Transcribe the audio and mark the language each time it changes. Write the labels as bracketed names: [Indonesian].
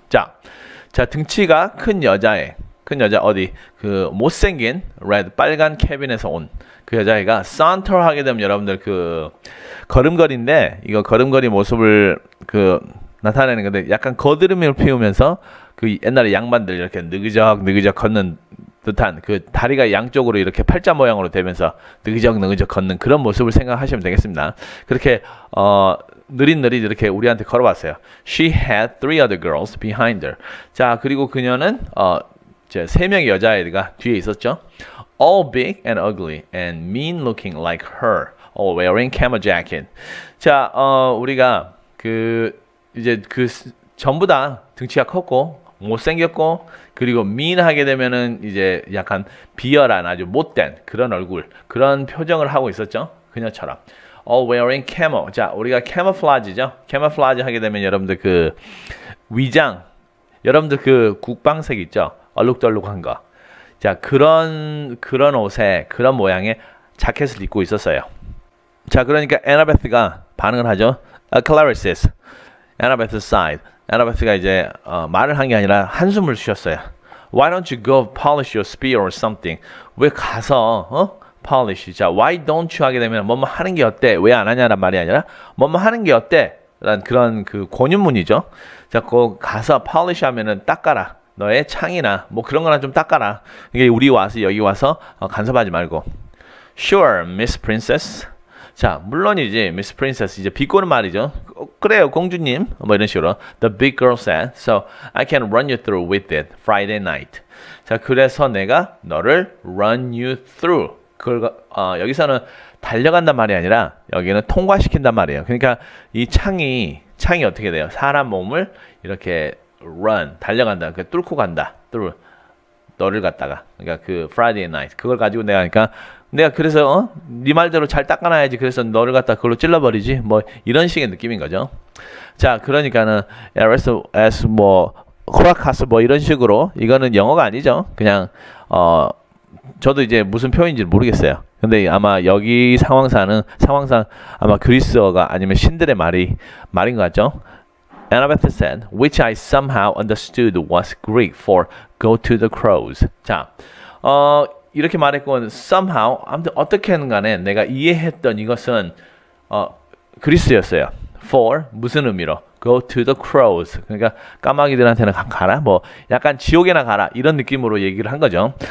[Korean] 자 등치가 큰 여자애 큰 여자 어디 그 못생긴 레드 빨간 캐빈에서 온 그 여자애가 사운터 하게 되면 여러분들 그 걸음걸이인데 이거 걸음걸이 모습을 그 나타내는 건데 약간 거드름을 피우면서 그 옛날에 양반들 이렇게 느그적 걷는 듯한 그 다리가 양쪽으로 이렇게 팔자 모양으로 되면서 느그적 걷는 그런 모습을 생각하시면 되겠습니다. 그렇게 느릿느릿 이렇게 우리한테 걸어왔어요. [English] She had three other girls behind her. [Korean] 자 그리고 그녀는 세 명의 여자애가 뒤에 있었죠. [English] All big and ugly and mean looking like her. All wearing camo jacket. [Korean] 자, 우리가 이제 전부 다 등치가 컸고 못생겼고 그리고 mean 하게 되면은 이제 약간 비열한 아주 못된 그런 얼굴 그런 표정을 하고 있었죠. 그녀처럼. [English] All wearing camo. [Korean] 자, 우리가 camouflage죠. camouflage 하게 되면 여러분들 그 위장 여러분들 그 국방색 있죠. 얼룩덜룩한 거. 자, 그런 옷에 그런 모양의 자켓을 입고 있었어요. 자, 그러니까 애나베스가 반응을 하죠. [English] A Clarissa's. Annabeth sighed. [Korean] Annabeth가 이제 말을 한 게 아니라 한숨을 쉬었어요. [English] Why don't you go polish your spear or something? [Korean] 왜 가서 polish? 자, [English] why don't you [Korean] 하게 되면 뭐뭐 하는 게 어때? 왜 안 하냐란 말이 아니라 뭐뭐 하는 게 어때? 라는 그런 그 권유문이죠. 자, 거 가서 polish 하면은 닦아라. 너의 창이나 뭐 그런 거나 좀 닦아라. 이게 우리 와서 여기 와서 간섭하지 말고. [English] Sure, Miss Princess. [Korean] 자, 물론이지, Miss Princess. 이제 비꼬는 말이죠. 그래요, 공주님. 뭐 이런 식으로. [English] The big girl said, so I can run you through with it Friday night. [Korean] 자, 그래서 내가 너를 run you through. 여기서는 달려간단 말이 아니라 여기는 통과시킨단 말이에요. 그러니까 이 창이 어떻게 돼요? 사람 몸을 이렇게 run 달려간다 그 뚫고 간다 through 너를 갔다가 그러니까 그 Friday night 그걸 가지고 내가 하니까 내가 그래서 네 말대로 잘 닦아놔야지 그래서 너를 갖다 그걸로 찔러버리지 뭐 이런 식의 느낌인 거죠. 자 그러니까는 as 뭐 호라카스 뭐 이런 식으로 이거는 영어가 아니죠. 그냥 저도 이제 무슨 표현인지 모르겠어요. 근데 아마 여기 상황상 아마 그리스어가 아니면 신들의 말인 것 같죠. [English] Annabeth said, which I somehow understood was Greek for go to the crows. [Korean] 자, 이렇게 말했고, somehow, 아무튼 어떻게든 간에 내가 이해했던 이것은 그리스였어요. for 무슨 의미로? [English] go to the crows. [Korean] 그러니까 까마귀들한테는 가라, 뭐 약간 지옥에나 가라 이런 느낌으로 얘기를 한 거죠.